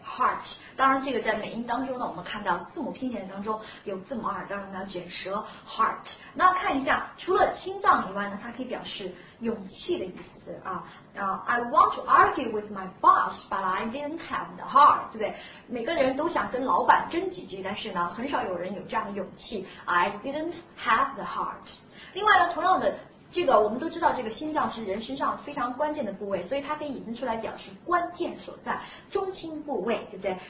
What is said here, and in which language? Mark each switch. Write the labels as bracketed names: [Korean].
[Chinese] Heart， 当然这个在美音当中呢，我们看到字母拼写当中有字母R，当然要卷舌 heart。 那看一下除了心脏以外呢，它可以表示勇气的意思啊。 [English] I want to argue with my boss, but I didn't have the heart. [Chinese] 对不对？每个人都想跟老板争几句，但是呢，很少有人有这样的勇气。 [English] I didn't have the heart. 另外呢，同样的。 [Chinese] 这个我们都知道，这个心脏是人身上非常关键的部位，所以它可以引申出来表示关键所在、中心部位，对不对？